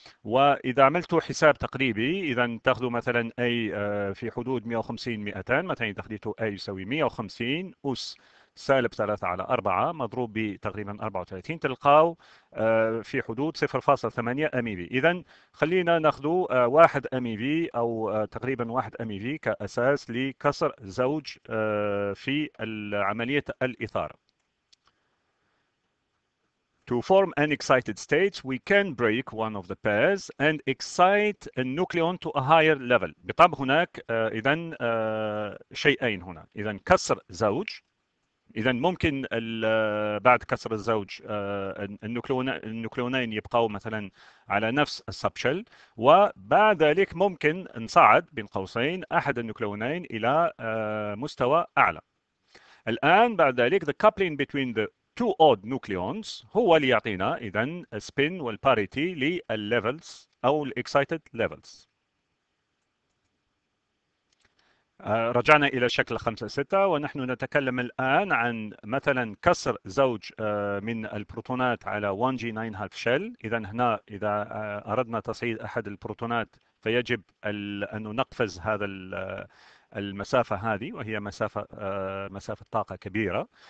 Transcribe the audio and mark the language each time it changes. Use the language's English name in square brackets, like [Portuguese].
[Arabic] وإذا عملت حساب تقريبي، إذا تأخذ مثلا أي في حدود 150 200، مثلا إذا أخذت أي يساوي 150 أس سالب 3 على 4 مضروب بتقريبا 34، تلقاه في حدود 0.8 أميبي. إذا خلينا نأخذ 1 أميبي أو تقريبا 1 أميبي كأساس لكسر زوج في عملية الإثارة. [English] To form an excited state, we can break one of the pairs and excite a nucleon to a higher level. [Arabic] بالطبع هناك إذن شيئين هنا، إذن كسر زوج، إذن ممكن بعد كسر الزوج النوكليونين يبقوا مثلا على نفس السبشل، وبعد ذلك ممكن نصعد بين قوسين أحد النوكليونين إلى مستوى أعلى. الآن بعد ذلك [English] the coupling between the two odd nucleons [Arabic] هو اللي يعطينا إذا spin والparity للlevels أو excited levels. رجعنا إلى شكل 5-6، ونحن نتكلم الآن عن مثلا كسر زوج من البروتونات على 1G9 half shell. إذا هنا إذا أردنا تصعيد أحد البروتونات فيجب أن نقفز هذا المسافة هذه، وهي مسافة طاقة كبيرة.